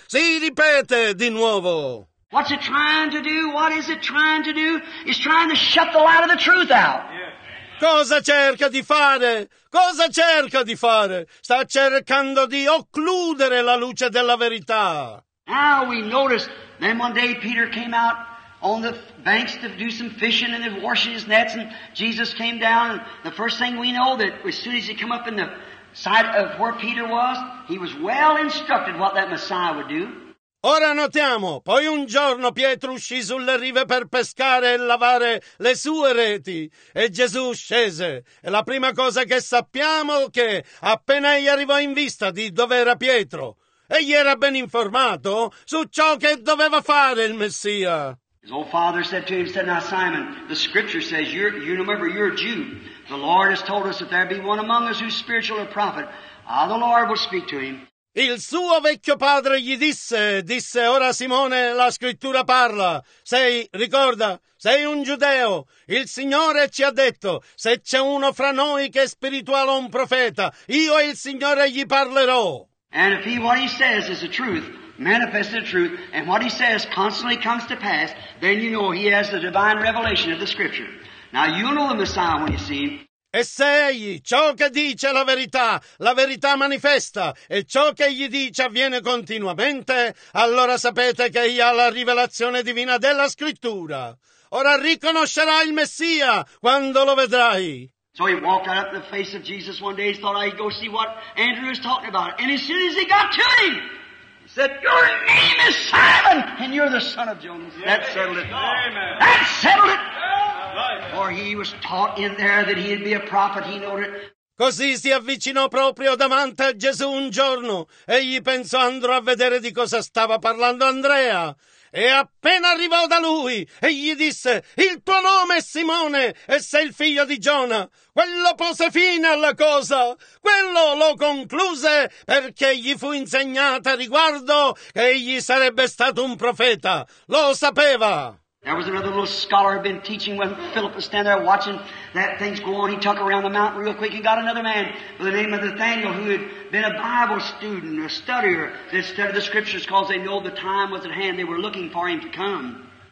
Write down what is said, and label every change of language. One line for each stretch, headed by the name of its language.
Italian: Si ripete di nuovo.
English: What's it trying to do? What is it trying to do? It's trying to shut the light of the truth out.
Italian: Cosa cerca di fare? Cosa cerca di fare? Sta cercando di occludere la luce della verità.
English: Now we noticed, then one day Peter came out on the banks to do some fishing and washing his nets, and Jesus came down, and the first thing we know that as soon as he came up in the side of where Peter was, he was well instructed what that Messiah would do.
Italian: Ora notiamo, poi un giorno Pietro uscì sulle rive per pescare e lavare le sue reti e Gesù scese. E la prima cosa che sappiamo è che appena egli arrivò in vista di dove era Pietro, egli era ben informato su ciò che doveva fare il Messia.
English: His old father said to him, said, now Simon, the scripture says, you remember, you're a Jew. The Lord has told us that there be one among us who's spiritual or prophet. Ah, the Lord will speak to him.
Italian: Il suo vecchio padre gli disse, ora Simone, la scrittura parla. Sei un giudeo. Il Signore ci ha detto, se c'è uno fra noi che è spirituale o un profeta, io e il Signore gli parlerò.
English: And if what he says is the truth, manifests the truth, and what he says constantly comes to pass, then you know he has the divine revelation of the scripture. Now you know the Messiah when you see him.
Italian: E se egli, ciò che dice la verità manifesta, e ciò che egli dice avviene continuamente, allora sapete che egli ha la rivelazione divina della Scrittura. Ora riconoscerai il Messia quando lo vedrai.
English: So he walked out up the face of Jesus one day, he thought I'd go see what Andrew was talking about. And as soon as he got to him, he said, your name is Simon, and you're the son of Jonas. That settled it. Amen. That settled it. For he was taught in there that he'd be a prophet, he knew it.
Italian: Così si avvicinò proprio davanti a Gesù un giorno. Egli pensò, andrò a vedere di cosa stava parlando Andrea. E appena arrivò da lui, egli disse, il tuo nome è Simone e sei il figlio di Giona. Quello pose fine alla cosa. Quello lo concluse perché gli fu insegnata riguardo che egli sarebbe stato un profeta. Lo sapeva.
English: There was another little scholar who had been teaching with Philip was standing there watching that things go on. He took around the mountain real quick. He got another man by the name of Nathaniel who had been a Bible student, a studier, that studied the scriptures because they know the time was at hand. They were looking for him to come.